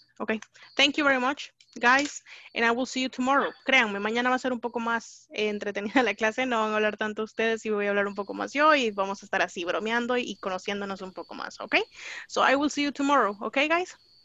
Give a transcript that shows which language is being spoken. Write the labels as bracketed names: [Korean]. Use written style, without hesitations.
[English] Ok, thank you very much, guys, and I will see you tomorrow. [Spanish] Créanme, mañana va a ser un poco más entretenida la clase, no van a hablar tanto ustedes y voy a hablar un poco más yo y vamos a estar así bromeando y conociéndonos un poco más, ok? [English] So I will see you tomorrow, ok, guys?